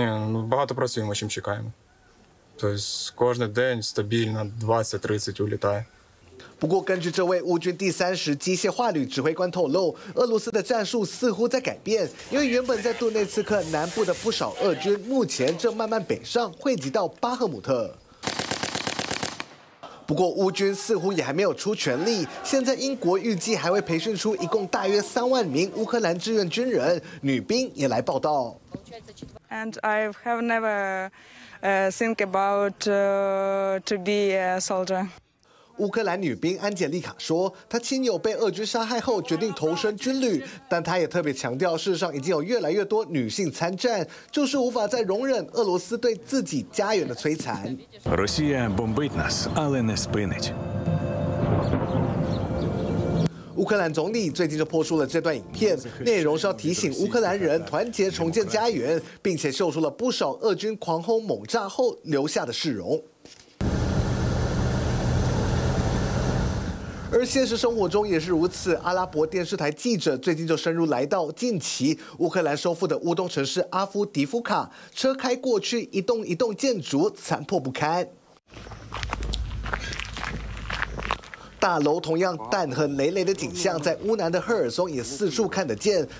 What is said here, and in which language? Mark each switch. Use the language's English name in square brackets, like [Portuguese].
[Ukrainian] багато працюємо, чим чекаємо. [Russian] То есть [Ukrainian] кожен день стабільно 20-30 улітає. [Chinese] 不过根据这位乌军第三十机械化旅指挥官透露，俄罗斯的战术似乎在改变，因为原本在顿内茨克南部的不少俄军目前正慢慢北上，汇集到巴赫姆特。不过乌军似乎也还没有出全力，现在英国预计还会培训出一共大约30,000名乌克兰志愿军人，女兵也来报道。 [English] And I have never think about to be a soldier. [Chinese] 乌克兰女兵安杰丽卡说，她亲友被俄军杀害后决定投身军旅，但她也特别强调，事实上已经有越来越多女性参战，就是无法再容忍俄罗斯对自己家园的摧残。 [Ukrainian] Росія бомбить нас, але не спинить。 [Chinese] 乌克兰总理最近就播出了这段影片，内容是要提醒乌克兰人团结重建家园，并且秀出了不少俄军狂轰猛炸后留下的市容。而现实生活中也是如此，阿拉伯电视台记者最近就深入来到近期乌克兰收复的乌东城市阿夫迪夫卡，车开过去，一栋一栋建筑残破不堪，大楼同样弹痕累累的景象，在乌南的赫尔松也四处看得见。